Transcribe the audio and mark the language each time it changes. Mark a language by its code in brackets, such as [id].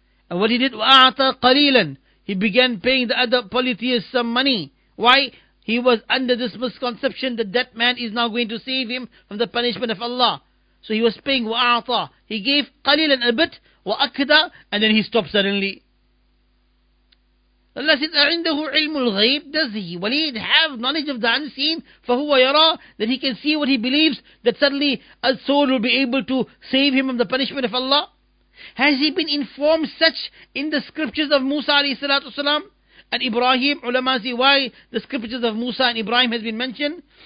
[en] And what he did, [ar] وَأَعْطَى قَلِيلًا. [en] He began paying the other polytheists some money. Why? He was under this misconception that that man is now going to save him from the punishment of Allah. So he was paying وَأَعْطَى. He gave قَلِيلًا a bit, وَأَكْدَى, and then he stopped suddenly. Allah says, [ar] أَعِنْدَهُ عِلْمُ الْغَيْبِ. [en] Does he, Walid, have knowledge of the unseen? [ar] فَهُوَ يَرَى. [en] That he can see what he believes, that suddenly a soul will be able to save him from the punishment of Allah. Has he been informed such in the scriptures of Musa alayhi salatu wasalam and Ibrahim? Ulama say, why the scriptures of Musa and Ibrahim has been mentioned?